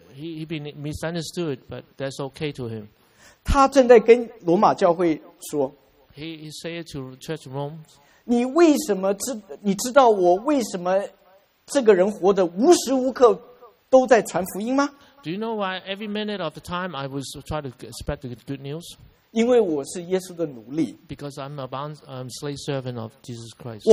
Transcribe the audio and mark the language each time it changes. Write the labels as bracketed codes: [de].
[en] He been misunderstood, but that's okay to him. [zh] 他正在跟罗马教会说。 [en] He said to Church Rome, [zh] 你为什么你知道我为什么这个人活得无时无刻都在传福音吗？ [en] Do you know why every minute of the time I was trying to spread the good news? [zh] 因为我是耶稣的奴隶。 [en] Because I'm a bond, I'm slave servant of Jesus Christ.